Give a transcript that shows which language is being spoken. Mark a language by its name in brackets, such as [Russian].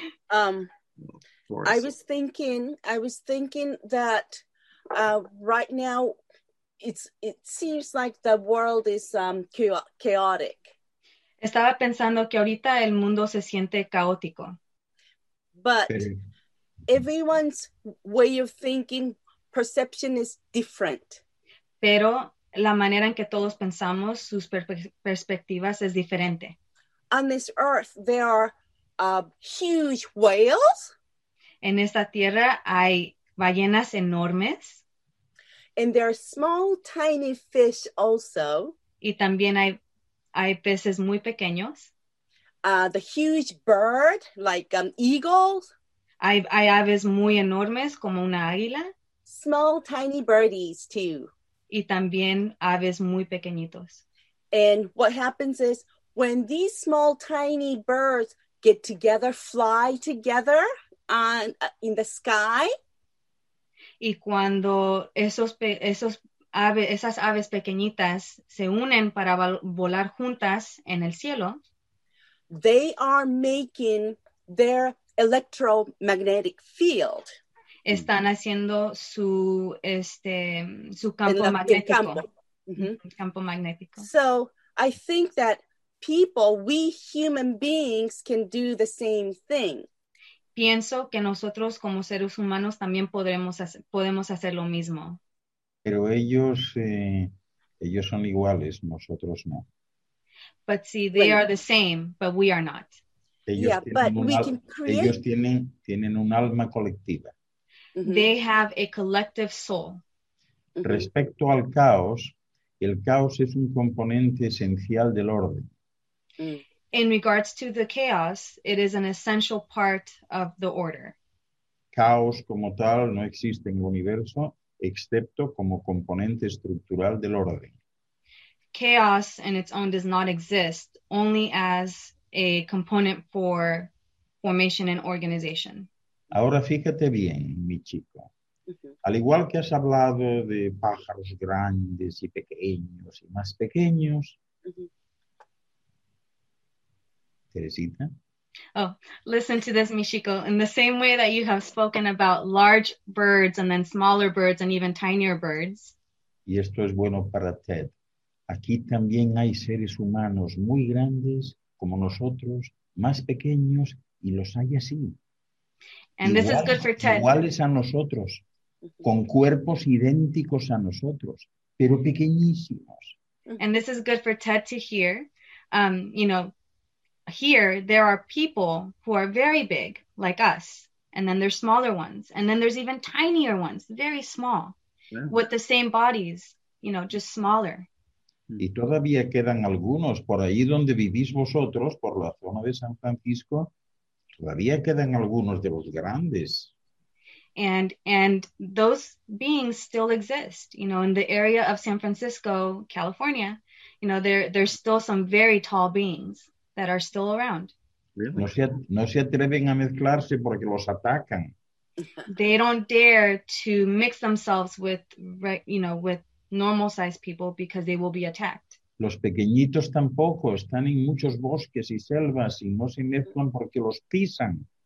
[English] I was thinking that right now it seems like the world is chaotic. [Spanish] Estaba pensando que ahorita el mundo se siente caótico. [English] But everyone's way of thinking, perception is different. [Spanish] Pero la manera en que todos pensamos, sus perspectivas es diferente. [English] On this earth there are huge whales. [Spanish] En esta tierra hay ballenas enormes. [English] And there are small, tiny fish also. [Spanish] Y también hay peces muy pequeños. [English] The huge bird, like eagles. [Spanish] Hay aves muy enormes, como una águila. [English] Small, tiny birdies too. [Spanish] Y también aves muy pequeñitos. [English] And what happens is, when these small, tiny birds get together, fly together, in the sky. [Spanish] Y cuando esas aves pequeñitas se unen para volar juntas en el cielo, [English] they are making their electromagnetic field. [Spanish] Están haciendo su campo magnético. Campo. Mm-hmm. Campo magnético. [English] So I think that we human beings, can do the same thing. [Spanish] Pienso que nosotros como seres humanos también podemos hacer lo mismo. Pero ellos son iguales, nosotros no. [English] But see, they are the same, but we are not. [Spanish] Ellos tienen un alma colectiva. [English] Mm-hmm. They have a collective soul. [Spanish] Respecto al caos, el caos es un componente esencial del orden. Mm. [English] In regards to the chaos, it is an essential part of the order. [Spanish] Caos como tal no existe en el universo, excepto como componente estructural del orden. [English] chaos in its own does not exist, only as a component for formation and organization. [Spanish] Ahora fíjate bien, mi chico. Al igual que has hablado de pájaros grandes y pequeños y más pequeños. Teresita. [English] Oh, listen to this, Michiko. In the same way that you have spoken about large birds and then smaller birds and even tinier birds. [Spanish] Y esto es bueno para Ted. Aquí también hay seres humanos muy grandes como nosotros, más pequeños, y los hay así. [English] And this is good for Ted. [Spanish] Iguales a nosotros, con cuerpos idénticos a nosotros, pero pequeñísimos. [English] And this is good for Ted to hear. Here there are people who are very big, like us, and then there's smaller ones, and then there's even tinier ones, very small, yeah, with the same bodies, you know, just smaller. [Spanish] Y todavía quedan algunos por ahí donde vivís vosotros, por la zona de San Francisco, todavía quedan algunos de los grandes. [English] And those beings still exist, you know, in the area of San Francisco, California, you know, there's still some very tall beings that are still around. Really? [Spanish] No se atreven a mezclarse porque los atacan. [English] They don't dare to mix themselves with, you know, with normal sized people because they will be attacked. [Spanish] Los pequeñitos tampoco están en muchos bosques y selvas y no se mezclan porque los pisan.